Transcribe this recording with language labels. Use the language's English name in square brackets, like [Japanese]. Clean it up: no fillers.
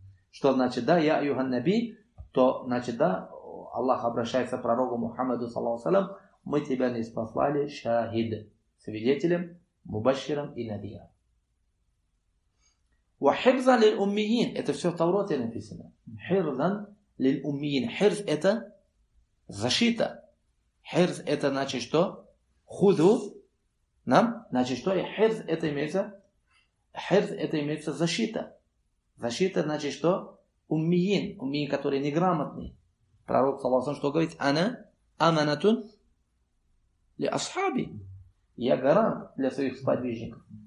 [Russian] Что значит, да, я айюха наби, то значит, да, Аллах обращается к пророку Мухаммаду саллаллаху алейхи ва саллям, мы тебя не спаслали шахид, свидетелем, мубаширан и надиран. وَحِرْزًا لِلْأُمِّيِّينَ Это все в Тавроте написано. [Arabic] حِرْزًا لِلْأُمِّيِّينَ حِرْز – [Russian] это защита. حِرْز – это значит что? خُذُ нам. Значит что? حِرْز – это имеется حِرْز – это имеется защита. Защита – значит что? أُمِّيِّين. أُمِّيِّين – который неграмотный. Пророк Саласан что говорит? [Arabic] أَنَا أَمَنَةٌ لِأَصْحَابِ [Russian] Я гарант для своих сподвижников.